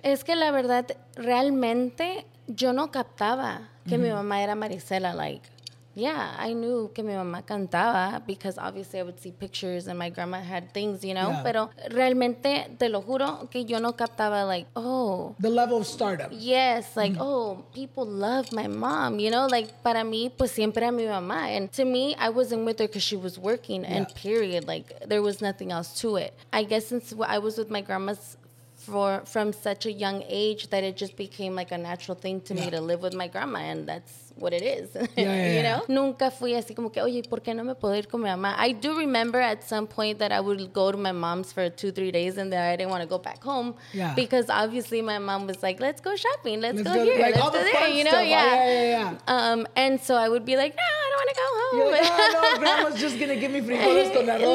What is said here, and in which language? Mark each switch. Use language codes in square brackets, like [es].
[es] Es que la verdad, realmente, yo no captaba que mi mamá era Marisela, like... [en] Yeah, I knew [es] que mi mamá cantaba [en] because obviously I would see pictures and my grandma had things, you know. Yeah. [es] Pero realmente, te lo juro, que yo no captaba like, oh. [en] The level of stardom. Yes, like, oh, people love my mom, you know. [es] Like, para mí, pues siempre a mi mamá. [en] And to me, I wasn't with her because she was working and period. Like, there was nothing else to it. I guess since I was with my grandma's from such a young age that it just became like a natural thing to me to live with my grandma and that's what it is. Yeah. You know? [es] Nunca fui así como que, oye, ¿por qué no me puedo ir con mi mamá? [en] I do remember at some point that I would go to my mom's for 2-3 days and then I didn't want to go back home because obviously my mom was like, let's go shopping, let's go here, you know? And so I would be like, no, I don't want to go home. You're like, oh, no, grandma's just going to give me [es] frijoles con arroz.